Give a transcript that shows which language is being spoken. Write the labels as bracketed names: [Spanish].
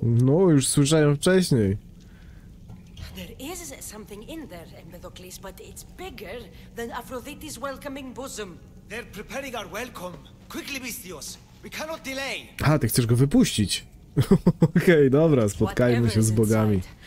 [Polish] No, już słyszałem wcześniej. [English] There is something in there, Empedocles, but it's bigger than Aphrodite's welcoming bosom. They're preparing our welcome. Quickly, Mistios! We cannot delay. [Polish] A, ty chcesz go wypuścić? Okej, dobra, spotkajmy się z bogami.